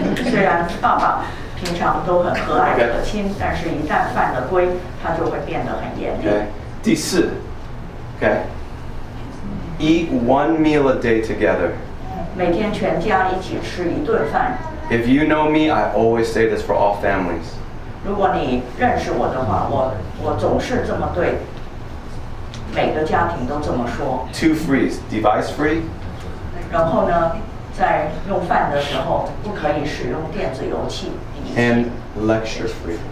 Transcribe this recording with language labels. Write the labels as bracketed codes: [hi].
[zh] 虽然爸爸平常都很和蔼可亲， okay. 但是一旦犯了规，他就会变得很严厉。 [en] Okay. [zh] 第四 [en] ，OK。Eat one meal a day together. [zh] 每天全家一起吃一顿饭。 [en] If you know me, I always say this for all families. [zh] 如果你认识我的话，我总是这么对每个家庭都这么说。 [en] Two frees, device free. [zh] 然后呢，在用饭的时候不可以使用电子油器。 [en] And lecture free.